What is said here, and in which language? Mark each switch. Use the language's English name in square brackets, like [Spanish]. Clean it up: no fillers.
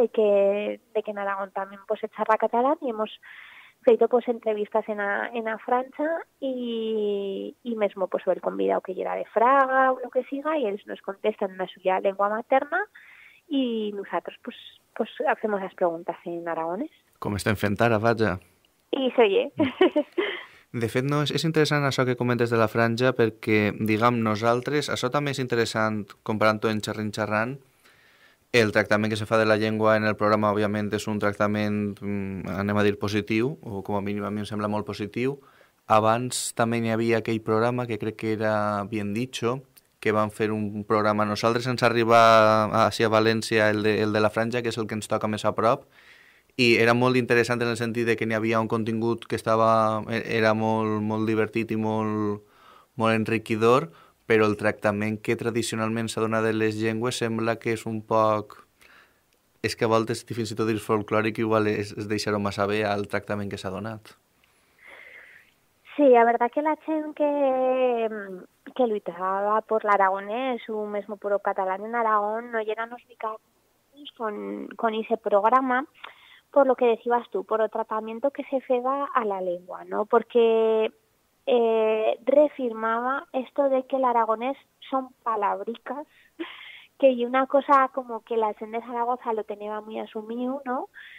[Aragonese] de que en Aragón también pues se charla catalán y hemos feito pues entrevistas en a Francia y mismo pues el convidado que llega de Fraga o lo que siga y ellos nos contestan en la suya lengua materna y nosotros pues hacemos las preguntas en aragonés. [Catalan] Com estem fent ara, vaja. [Aragonese] I s'oye. [Catalan] De fet, no, és interessant això que comentes de la franja perquè, diguem, nosaltres, això també és interessant comparant-ho en Xerrin Xerrant, el tractament que se fa de la llengua en el programa, òbviament, és un tractament, anem a dir, positiu, o com a mínim a mi em sembla molt positiu. Abans també hi havia aquell programa que crec que era Bien Dicho, que van fer un programa. Nosaltres ens arriba a València el de la franja, que és el que ens toca més a prop, i era molt interessant en el sentit de que n'hi havia un contingut que estava, era molt, molt divertit i molt, molt enriquidor, però el tractament que tradicionalment s'ha donat de les llengües sembla que és un poc... És que a voltes, fins i tot dir folclòric, igual és deixar-ho massa bé al tractament que s'ha donat. [Aragonese] Sí, la verdad que la gente que luchaba por el aragonés o mismo por el catalán en Aragón no llenamos con ese programa por lo que decías tú, por el tratamiento que se fega a la lengua, ¿no? Porque reafirmaba esto de que el aragonés son palabricas, que y una cosa como que la gente de Zaragoza lo tenía muy asumido, ¿no?